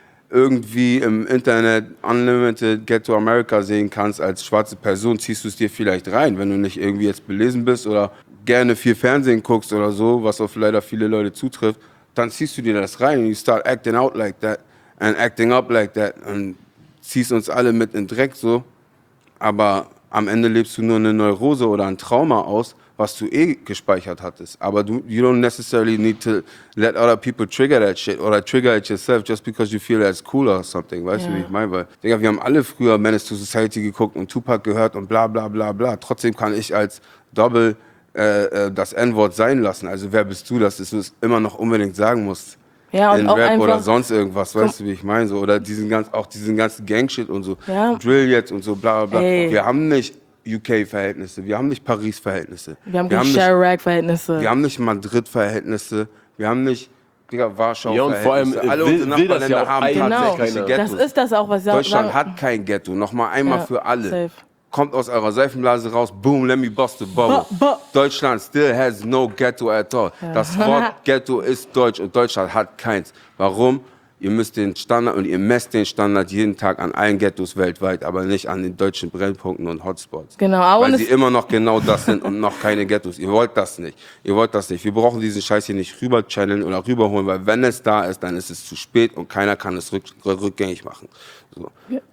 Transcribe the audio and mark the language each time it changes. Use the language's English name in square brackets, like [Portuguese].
[German] irgendwie im Internet Unlimited Get to America sehen kannst als schwarze Person, ziehst du es dir vielleicht rein, wenn du nicht irgendwie jetzt belesen bist oder gerne viel Fernsehen guckst oder so, was auf leider viele Leute zutrifft, dann ziehst du dir das rein und [English] you start acting out like that [German] and acting up like that und ziehst uns alle mit in Dreck so, aber am Ende lebst du nur eine Neurose oder ein Trauma aus, was du eh gespeichert hattest. [English] Aber you don't necessarily need to let other people trigger that shit or trigger it yourself just because you feel that's cool or something. [German] Weißt du, wie ich meine? Weil, Digga, wir haben alle früher Menace to Society geguckt und Tupac gehört und bla bla bla bla. Trotzdem kann ich als Double das N-Wort sein lassen. Also wer bist du, dass du es immer noch unbedingt sagen musst? Ja, und in auch Rap einfach, oder sonst irgendwas, weißt du, wie ich meine? So, oder diesen ganzen Gangshit und so. Ja. Drill jetzt und so bla bla bla. Wir haben nicht UK-Verhältnisse, wir haben nicht Paris-Verhältnisse. Wir haben Chirac-Verhältnisse. Wir haben nicht Madrid-Verhältnisse, wir haben nicht Warschau-Verhältnisse. Ja, und vor allem, alle unsere Nachbarländer ja haben tatsächlich keine Ghettos. Das ist das auch, was ja Deutschland hat kein Ghetto, nochmal einmal für alle. Safe. Kommt aus eurer Seifenblase raus, boom, [English] let me bust the bubble. Deutschland still has no Ghetto at all. [German] Ja. Das Wort Ghetto ist deutsch und Deutschland hat keins. Warum? Ihr müsst den Standard und ihr messt den Standard jeden Tag an allen Ghettos weltweit, aber nicht an den deutschen Brennpunkten und Hotspots. Genau, aber weil sie immer noch genau das sind und noch keine Ghettos. Ihr wollt das nicht. Ihr wollt das nicht. Wir brauchen diesen Scheiß hier nicht rüber channeln oder rüberholen, weil wenn es da ist, dann ist es zu spät und keiner kann es rückgängig machen. So. Ja.